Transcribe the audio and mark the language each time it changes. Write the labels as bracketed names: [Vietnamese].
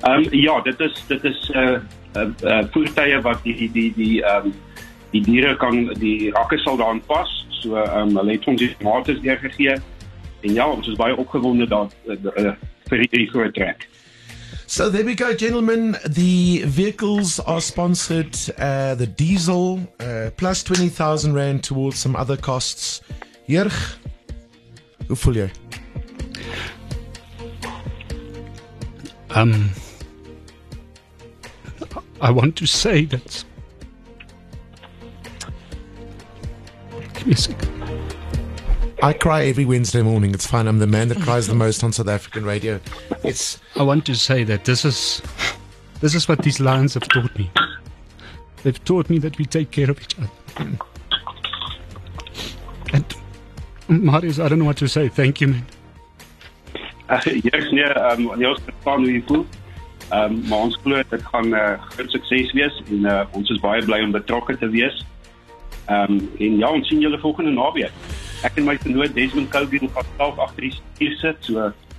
[Afrikaans] Ja, dit is voertuie wat die diere kan, die rakke sal daar aanpas. So hulle het ons die maters deurgegee. En ja, ons is baie opgewonde vir die groot trek. [English] So there we go, gentlemen. The vehicles are sponsored, the diesel, plus 20,000 rand towards some other costs. [Afrikaans] Jurg, hoe voel jy? [English] I want to say that... I cry every Wednesday morning. It's fine. I'm the man that cries the most on South African radio. I want to say that this is what these lions have taught me. They've taught me that we take care of each other. And Marius, I don't know what to say. Thank you, man. [Afrikaans] Yes, ons verstaan hoe jy voel. Maar ons glo dit gaan 'n groot sukses wees, en ons is baie bly om betrokke te wees. En ja, ons sien julle volgende naweek. Ek en my vriend Desmond Cobie gaan self agter die stuur sit, so